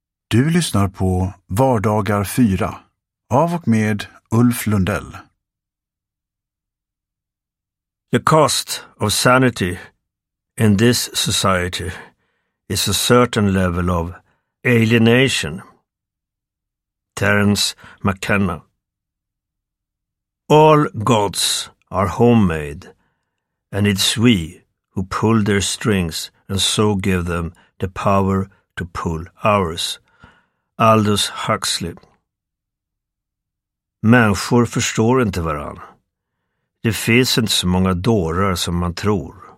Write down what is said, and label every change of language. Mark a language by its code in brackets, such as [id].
[sv] Du lyssnar på Vardagar 4 av och med Ulf Lundell. [en] The cost of sanity in this society is a certain level of alienation. Terence McKenna. All gods are homemade, and it's we who pull their strings and so give them the power to pull ours. Aldous Huxley. [sv] Människor förstår inte varann. Det finns inte så många dårar som man tror.